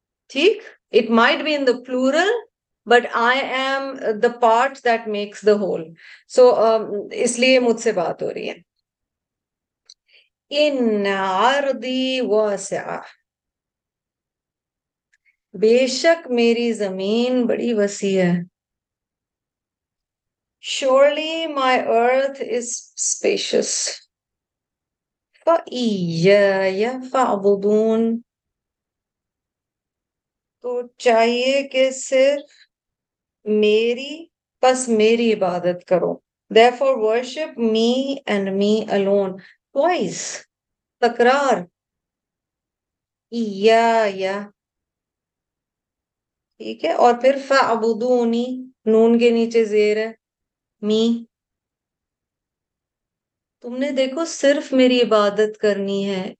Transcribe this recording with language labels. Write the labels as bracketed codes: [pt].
[en] ठीक, it might be in the plural but I am the part that makes the whole, [hi] सो इसलिए मुझसे बात हो रही है। [ar] इन अर्दी वासिअ, [hi] बेशक मेरी जमीन बड़ी वसी है। [en] Surely my earth is spacious. [ar] فَإِيَّا فَاعْبُدُونَ, [hi] तो चाहिए कि सिर्फ मेरी, बस मेरी इबादत करो। [en] Therefore worship me and me alone. Twice, [hi] तकरार, إِيَّا, ठीक है, और फिर فَاعْبُدُونِ, नून के नीचे जेर है, मी, तुमने देखो सिर्फ मेरी इबादत करनी है।